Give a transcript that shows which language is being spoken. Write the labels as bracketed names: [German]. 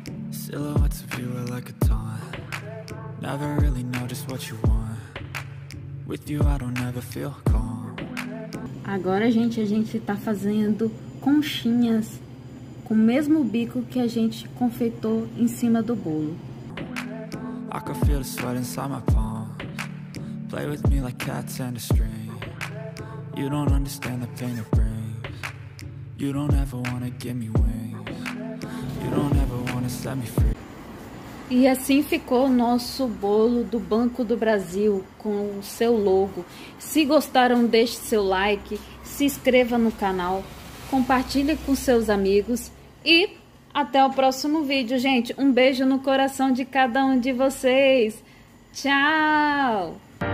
[English] Silhouettes of you are like a taunt. Never really know just what you want. With you I don't ever feel calm. [Portuguese] Agora, gente, a gente tá fazendo conchinhas com o mesmo bico que a gente confeitou em cima do bolo. [English] I can feel the sweat inside my palms. Play with me like cats and a string. You don't understand the pain it brings. You don't ever wanna give me wings. You don't ever wanna set me free. [Portuguese] E assim ficou o nosso bolo do Banco do Brasil com o seu logo. Se gostaram, deixe seu like, se inscreva no canal, compartilhe com seus amigos e até o próximo vídeo, gente. Um beijo no coração de cada um de vocês. Tchau!